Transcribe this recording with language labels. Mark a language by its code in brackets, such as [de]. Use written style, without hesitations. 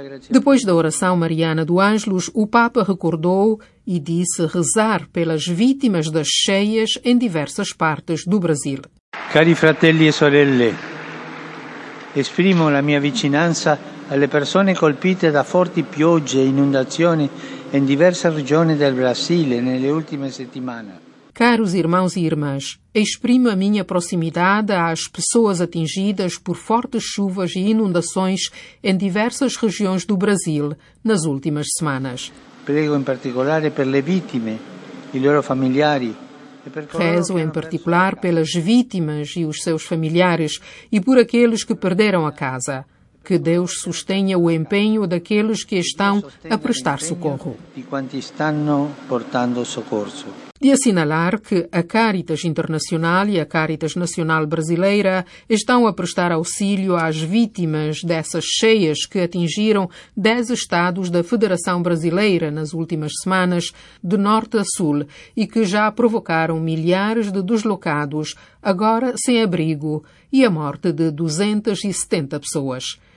[pt] Depois da oração mariana do Ângelus, o Papa recordou e disse rezar pelas vítimas das cheias em diversas partes do Brasil. [it] Cari fratelli e sorelle, esprimo la mia vicinanza alle persone colpite da forti piogge e inundazioni in diverse regioni del Brasile nelle ultime settimane. [pt] Caros irmãos e irmãs, exprimo a minha proximidade às pessoas atingidas por fortes chuvas e inundações em diversas regiões do Brasil nas últimas semanas. [it] Prego em particular per le vittime, i loro familiari. [pt] Rezo em particular pelas vítimas e os seus familiares e por aqueles que perderam a casa. Que Deus sustenha o empenho daqueles que estão a prestar socorro. [it] De quanti stanno portando soccorso. [pt] De assinalar que a Caritas Internacional e a Caritas Nacional Brasileira estão a prestar auxílio às vítimas dessas cheias que atingiram 10 estados da Federação Brasileira nas últimas semanas, de norte a sul, e que já provocaram milhares de deslocados, agora sem abrigo, e a morte de 270 pessoas.